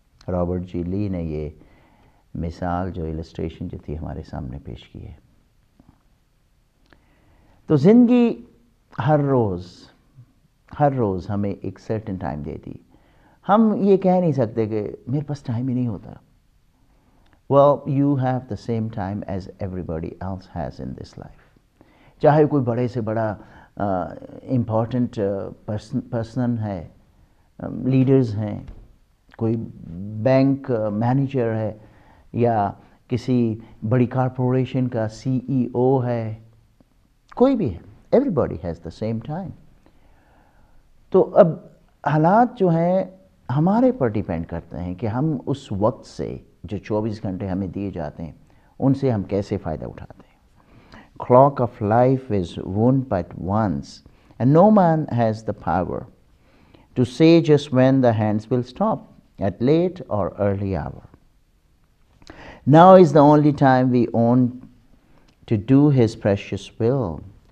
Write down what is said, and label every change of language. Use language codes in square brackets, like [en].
[hi] Robert जी ली ने ये मिसाल जो इलस्ट्रेशन जो थी हमारे सामने पेश की है। तो ज़िंदगी हर रोज़ हमें एक सर्टेन टाइम देती। हम ये कह नहीं सकते कि मेरे पास टाइम ही नहीं होता। [en] Well, you have the same time as everybody else has in this life. [hi] चाहे कोई बड़े से बड़ा इम्पॉर्टेंट पर्सन है, लीडर्स हैं, कोई बैंक मैनेजर है, या किसी बड़ी कॉरपोरेशन का सीईओ है, कोई भी है, [en] Everybody has the same time. [hi] तो अब हालात जो हैं हमारे पर डिपेंड करते हैं कि हम उस वक्त से जो 24 घंटे हमें दिए जाते हैं उनसे हम कैसे फ़ायदा उठाते हैं। [en] Clock of life is wound but once, and no man has the power to say just when the hands will stop, at late or early hour. Now is the only time we own to do his precious will.